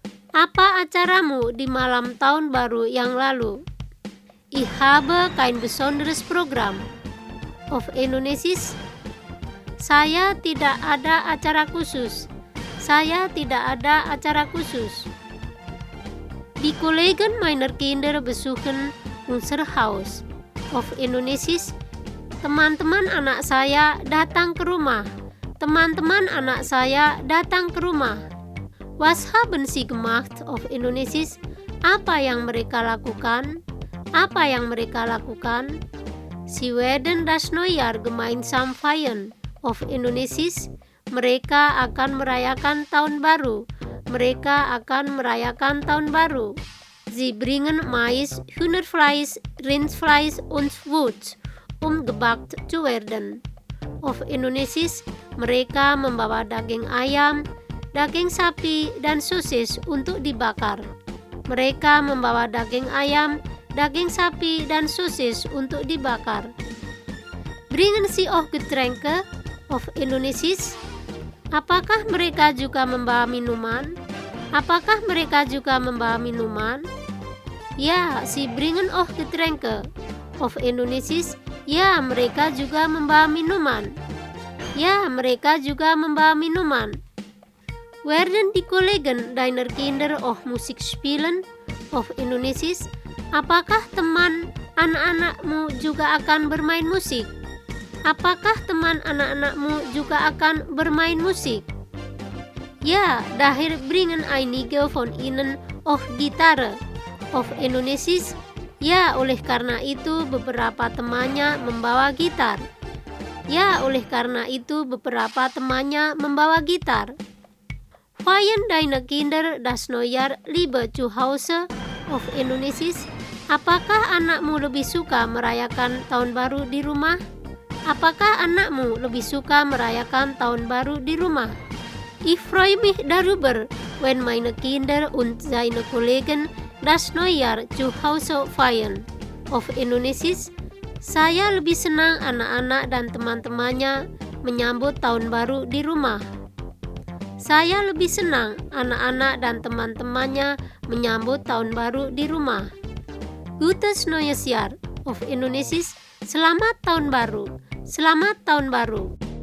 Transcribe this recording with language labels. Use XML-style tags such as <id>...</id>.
<id>Apa acaramu di malam tahun baru yang lalu?</id> <de>Ich habe kein besonderes Programm. Auf Indonesisch.</de> <id>Saya tidak ada acara khusus. Saya tidak ada acara khusus.</id> <de>Die Kollegen meiner Kinder besuchen unser Haus. Auf Indonesisch.</de> <id>Teman-teman anak saya datang ke rumah. Teman-teman anak saya datang ke rumah.</id> <de>Was haben Sie gemacht auf Indonesisch?</de> <id>Apa yang mereka lakukan? Apa yang mereka lakukan?</id> <de>Sie werden das Neujahr gemeinsam feiern auf Indonesisch.</de> <id>Mereka akan merayakan tahun baru. Mereka akan merayakan tahun baru.</id> <de>Sie bringen Mais, Hühnerfleisch, Rindfleisch und Wurst, gebackt zu werden. Auf Indonesisch,</de> <id>mereka membawa daging ayam, daging sapi dan sosis untuk dibakar. Mereka membawa daging ayam, daging sapi dan sosis untuk dibakar.</id> <de>Bringen Sie auch Getränke auf Indonesisch?</de> <id>Apakah mereka juga membawa minuman? Apakah mereka juga membawa minuman?</id> <de>Ya, Sie bringen auch Getränke auf Indonesisch?</de> <id>Ya, mereka juga membawa minuman. Ya, mereka juga membawa minuman.</id> <de>Werden die Kollegen deiner Kinder auch Musik spielen auf Indonesisch?</de> <id>Apakah teman anak-anakmu juga akan bermain musik? Apakah teman anak-anakmu juga akan bermain musik?</id> <de>Ja, daher bringen einige von ihnen auch Gitarre auf Indonesisch.</de> <id>Ya, oleh karena itu beberapa temannya membawa gitar. Ya, oleh karena itu beberapa temannya membawa gitar.</id> <de>Feiern deine Kinder das Neujahr lieber zu Hause auf Indonesisch?</de> <id>Apakah anakmu lebih suka merayakan tahun baru di rumah? Apakah anakmu lebih suka merayakan tahun baru di rumah?</id> <de>Ich freue mich darüber, wenn meine Kinder und seine Kollegen das Neujahr zu Hause feiern auf Indonesisch.</de> <id>Saya lebih senang anak-anak dan teman-temannya menyambut tahun baru di rumah. Saya lebih senang anak-anak dan teman-temannya menyambut tahun baru di rumah.</id> <de>Gutes Neues Jahr auf Indonesisch.</de> <id>Selamat tahun baru. Selamat tahun baru.</id>